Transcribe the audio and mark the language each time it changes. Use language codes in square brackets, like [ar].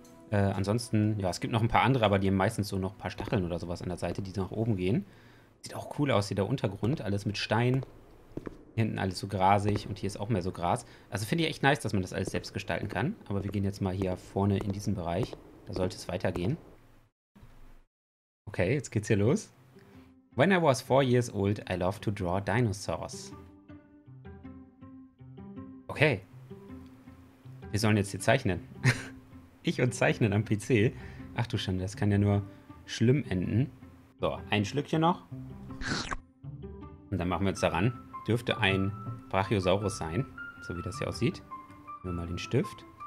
[de] Ansonsten, ja, es gibt noch ein paar andere, aber die haben meistens so noch ein paar Stacheln oder sowas an der Seite, die nach oben gehen. Sieht auch cool aus hier der Untergrund, alles mit Stein. Hinten alles so grasig und hier ist auch mehr so Gras. Also finde ich echt nice, dass man das alles selbst gestalten kann. Aber wir gehen jetzt mal hier vorne in diesen Bereich, da sollte es weitergehen. Okay, jetzt geht's hier los. [en] When I was 4 years old, I loved to draw dinosaurs. [de] Okay, wir sollen jetzt hier zeichnen. Ich und zeichnen am PC. Ach du Schande, das kann ja nur schlimm enden. So, ein Schlückchen noch. Und dann machen wir uns daran. Dürfte ein Brachiosaurus sein, so wie das hier aussieht. Nehmen wir mal den Stift.